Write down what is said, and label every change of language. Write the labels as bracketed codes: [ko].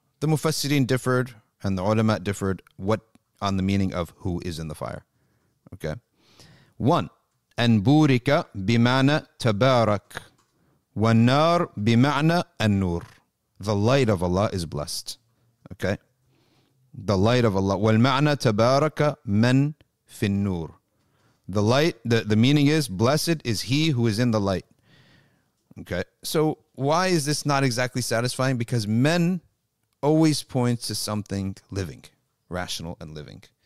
[en] The mufassirin differed and the ulama differed what on the meaning of who is in the fire. Okay. One. [ar] أن بورك بمعنى تبارك والنار بمعنى النور. [en] The light of Allah is blessed. Okay. The light of Allah. [ar] وَالْمَعْنَى تَبَارَكَ مَنْ فِي النُّورِ [en] The light, the meaning is, blessed is he who is in the light. Okay, so why is this not exactly satisfying? Because men always point to something living, rational and living.